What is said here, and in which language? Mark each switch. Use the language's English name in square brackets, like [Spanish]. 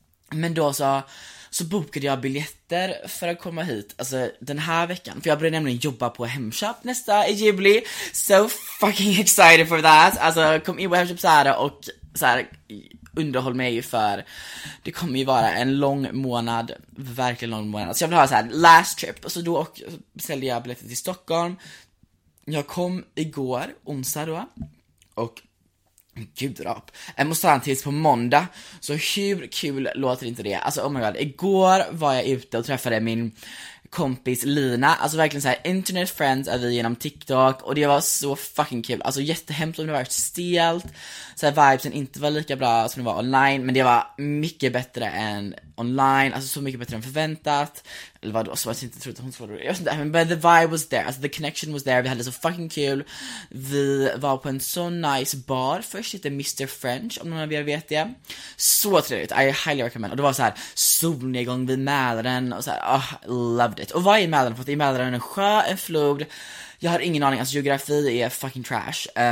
[Swedish] Men då så bokade jag biljetter för att komma hit, alltså den här veckan. För jag började nämligen jobba på Hemköp nästa i juli. [English] So fucking excited for that. [Swedish] Alltså, kom in på Hemköp såhär och såhär, underhåll mig, för det kommer ju vara en lång månad. Verkligen lång månad. Så jag vill ha såhär [English] last trip. [Swedish] Och så då säljde jag biljetter till Stockholm. Jag kom igår, onsdag då. Och gud rap, jag måste ha en tids på måndag. Så hur kul låter inte det? Alltså [English] oh my god, [Swedish] igår var jag ute och träffade min kompis Lina. Alltså verkligen så här [English] internet friends [Swedish] är vi genom TikTok. Och det var så fucking kul. Alltså jättehemskt om det var stelt. Så här vibesen inte var lika bra som det var online. Men det var mycket bättre än online. Alltså så mycket bättre än förväntat. Eller vadå, så jag inte trodde att hon svarade. Jag vet inte, [English] but the vibe was there. [Swedish] Alltså [English] the connection was there. [Swedish] Vi hade så fucking kul. Vi var på en så nice bar. Först hette Mr. French, om någon av er vet det. Så trevligt, [English] I highly recommend. [Swedish] Och det var så här solnedgång vid Mälaren. Och så här, [English] oh, loved it. [Swedish] Och vad är Mälaren? För att det är Mälaren, en sjö, en flod. Jag har ingen aning, alltså geografi är fucking trash.